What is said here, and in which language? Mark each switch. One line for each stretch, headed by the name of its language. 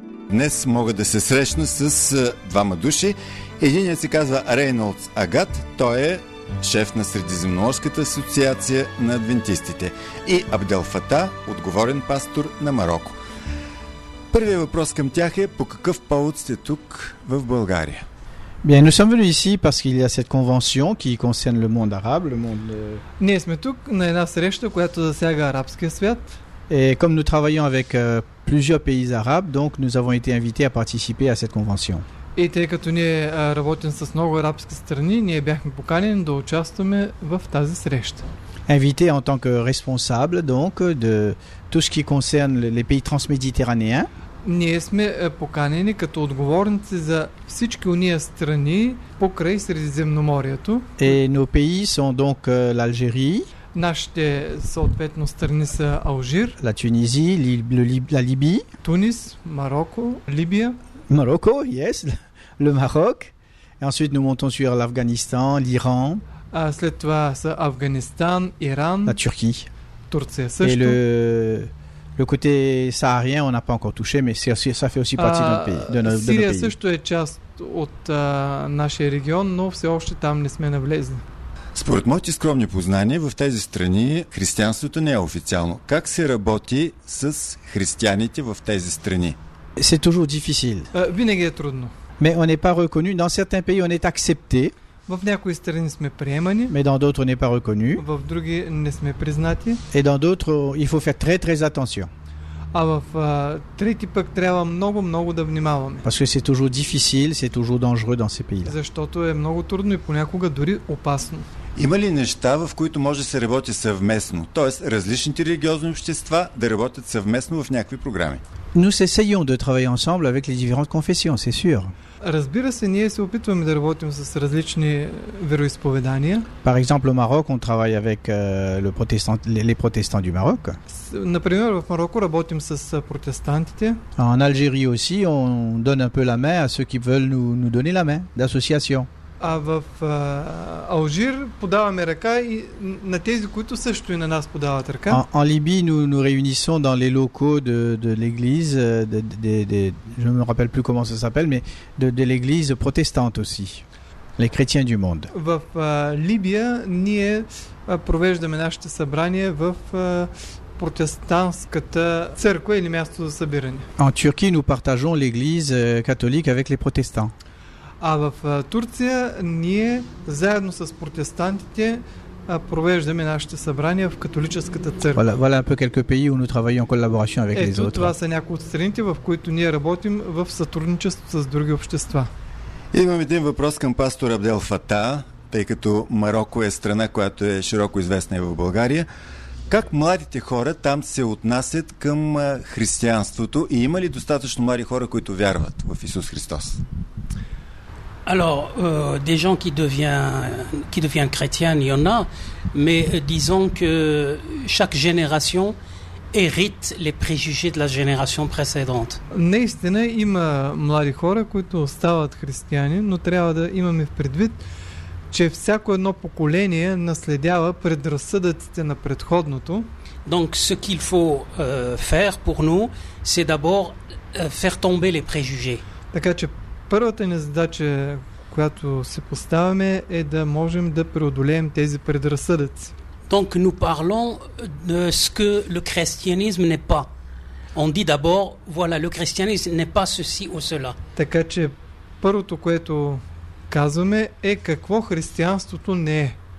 Bulgarian: Днес мога да се срещна с двама души. Единият се казва Рейнолдс Агат, той е шеф на Средиземноморската асоциация на адвентистите, и Абдел Фата, отговорен пастор на Марокко. Първият въпрос към тях е: по какъв повод сте тук в България?
French: Bien, nous sommes venus ici parce qu'il y a cette convention qui concerne le monde arabe, le monde.
Bulgarian: Ние сме тук на една среща, която засяга арабския свят.
French: Et comme nous travaillons avec plusieurs pays arabes, donc nous avons été invités à participer à cette convention. Et
Bulgarian: тъй като ние работим с много арабски страни, ние бяхме поканени да участваме в тази среща.
French: Invités en tant que responsables donc de tout ce qui concerne les pays transméditerranéens.
Bulgarian: Ние сме поканени като отговорници за всички ония страни покрай Средиземноморието.
French: Et nos pays sont donc l'Algérie.
Bulgarian: Нашите съответно страни са Алжир,
French: La Tunisie, la Libye,
Bulgarian: Тунис, Марокко, Либия.
French: Марокко, yes, le Maroc. Et ensuite nous montons sur l'Afghanistan, l'Iran.
Bulgarian: След това са Афганистан, Иран.
French: La Turquie.
Bulgarian: Турция също.
French: Et le côté saharien, on n'a pas encore touché, mais ça fait aussi partie de notre pays.
Bulgarian: Сирия също е част от нашия регион, но все още там не сме навлезли. Според моите скромни познания, в тези страни християнството не е официално. Как се работи с християните в тези страни?
French: C'est toujours difficile.
Bulgarian: Винаги е трудно.
French: Mais on n'est pas reconnu. Dans certains pays, on est accepté.
Bulgarian: В някои страни сме приемани.
French: Mais dans d'autres, on n'est pas reconnu.
Bulgarian: В други не сме признати.
French: Et dans d'autres, il faut faire très très attention.
Bulgarian: А в трети пък трябва много, много да внимаваме.
French: Parce que c'est toujours difficile, c'est toujours dangereux dans ces pays-là.
Bulgarian: Защото е много трудно и понякога дори опасно. Има ли неща, в които може да се работи съвместно? Тоест, различните религиозни общества да работят съвместно в някакви програми?
French: Nous essayons de travailler ensemble avec les différentes confessions, c'est sûr.
Bulgarian: Разбира се, ние се опитваме да работим с различни вероисповедания.
French: Par exemple, au Maroc, on travaille avec les protestants du Maroc.
Bulgarian: Например, в Марокко работим с протестантите.
French: En Algérie aussi, on donne un peu la main à ceux qui veulent nous donner la main d'association.
Bulgarian: А в Алжир подаваме ръка и на тези, които също и на нас подават ръка.
French: En Libye, nous réunissons dans les locaux de l'église, je ne me rappelle plus comment ça s'appelle, mais de l'église protestante aussi, les chrétiens du monde.
Bulgarian: В Либия ние провеждаме нашите събрания в протестантската църква или място за събиране.
French: En Turquie, nous partageons l'église catholique avec les protestants.
Bulgarian: А в Турция ние заедно с протестантите провеждаме нашите събрания в католическата църква.
French: Voilà un peu quelques pays où nous travaillons en collaboration avec les autres.
Bulgarian: Това са някои от страните, в които ние работим в сътрудничество с други общества. Имам един въпрос към пастор Абдел Фата, тъй като Мароко е страна, която е широко известна и в България. Как младите хора там се отнасят към християнството и има ли достатъчно млади хора, които вярват в Исус Христос?
French: Alors, des gens qui deviennent chrétiens, il y en a, mais disons que chaque génération hérite les préjugés de la génération précédente.
Bulgarian: Наистина има млади хора, които остават християни, но трябва да имаме в предвид, че всяко едно поколение наследява предразсъдъците на предходното.
French: Donc, ce qu'il faut faire pour nous, c'est d'abord faire tomber les préjugés.
Bulgarian: Така че първата ни задача, която се поставяме, е да можем да преодолеем тези предразсъдъци.
French: Donc nous parlons de ce que le christianisme n'est pas. On dit d'abord voilà, le christianisme n'est pas ceci ou cela.
Bulgarian: Така че първото, което казваме, е какво християнството не е.